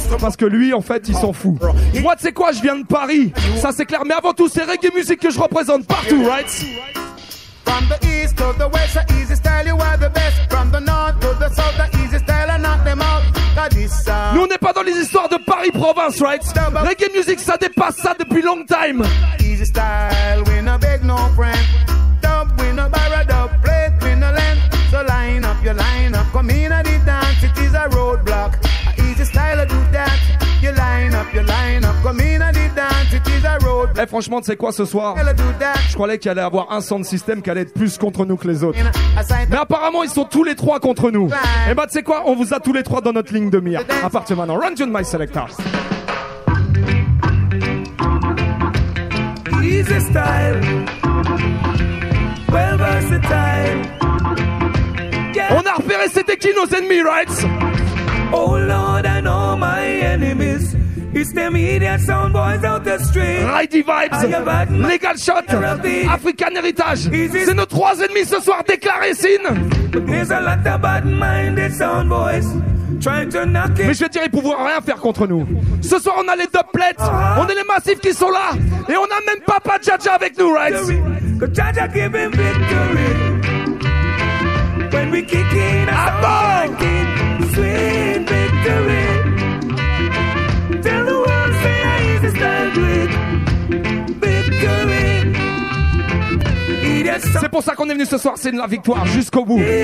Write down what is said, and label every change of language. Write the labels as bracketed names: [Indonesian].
[French] Parce que lui, en fait, il s'en fout. Moi, tu sais quoi, je viens de Paris. Ça, c'est clair. Mais avant tout, c'est reggae music que je représente partout, right? [English] From the east to the west, the easy style, you are the best. From the north to the south, the easy style, I knock them out. [French] Nous on n'est pas dans les histoires de Paris province, right? Reggae music, ça dépasse ça depuis long time. [English] Easy style, we no beg no friend. Dub, we no borrow, dub, play, we no lend. So line up, come in at the dance. It is a roadblock, a easy style, I do that. You line up, come in at the dance. It is a roadblock. [French] Eh, franchement, tu sais quoi ce soir? Je croyais qu'il allait avoir un sound system qui allait être plus contre nous que les autres. Mais apparemment, ils sont tous les trois contre nous. Et bah, tu sais quoi? On vous a tous les trois dans notre ligne de mire. À partir maintenant, [English] run you my selectors. Easy style. Well versatile. [French] Yeah. On a repéré, c'était qui nos ennemis, right? [English] Oh Lord, I know my enemies. It's them idiot sound boys out the street. Righty vibes, legal shot, African heritage. [French] C'est nos trois ennemis ce soir, déclarés sin. [English] There's a lot of bad-minded sound boys trying to knock it. [French] Mais je veux dire, ils pouvoir rien faire contre nous. Ce soir, on a les doublets, uh-huh. On est les massifs qui sont là. Et on a même Papa Jaja avec nous, right? [English] Cause Jaja give him victory. When we kick in, I don't like it. Sweet victory. Tell the world, say I easy stand with victory. [French] C'est pour ça qu'on est venu ce soir, c'est la victoire jusqu'au bout.